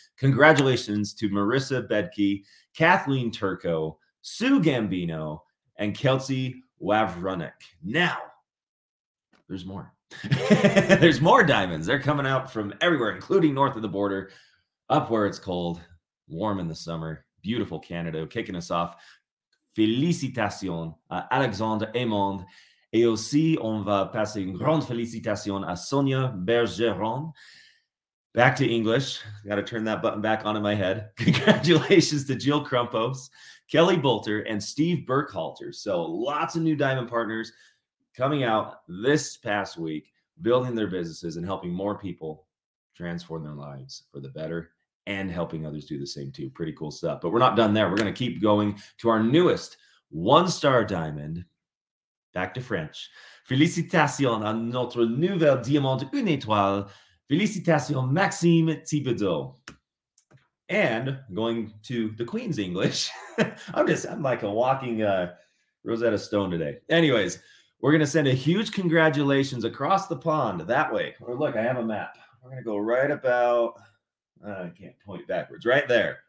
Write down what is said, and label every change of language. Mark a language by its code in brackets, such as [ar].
[en] Congratulations to Marissa Bedke, Kathleen Turco, Sue Gambino, and Kelsey Wavronik. Now, there's more. There's more diamonds. They're coming out from everywhere, including north of the border, up where it's cold, warm in the summer. Beautiful Canada, kicking us off. [fr] Félicitations à Alexandre Aymond. Et aussi, on va passer une grande félicitation à Sonia Bergeron. [en] Back to English. Got to turn that button back on in my head. Congratulations to Jill Crumpos, Kelly Bolter, and Steve Burkhalter. So lots of new diamond partners coming out this past week, building their businesses and helping more people transform their lives for the better and helping others do the same too. Pretty cool stuff. But we're not done there. We're going to keep going to our newest one-star diamond. Back to French. [fr] Félicitations à notre nouvelle diamant une étoile. Félicitations, Maxime Thibodeau. [en] And going to the Queen's English, I'm like a walking Rosetta Stone today. Anyways, we're going to send a huge congratulations across the pond that way. Or look, I have a map. We're going to go right about, I can't point backwards, right there.